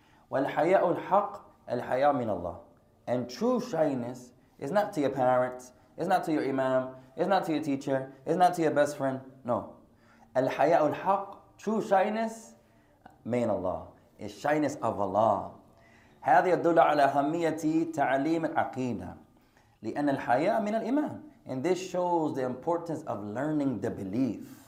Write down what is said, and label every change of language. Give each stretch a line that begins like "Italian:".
Arabic: والحياء الحق الحياء من الله.
English: And true shyness is not to your parents, it's not to your imam, it's not to your teacher, it's not to your best friend, no.
Arabic: الحياء الحق,
English: true shyness,
Arabic: من الله.
English: It's shyness of Allah.
Arabic: هذا يدل على أهمية تعليم العقيدة. لأن الحياء من الإيمان.
English: And this shows the importance of learning the belief.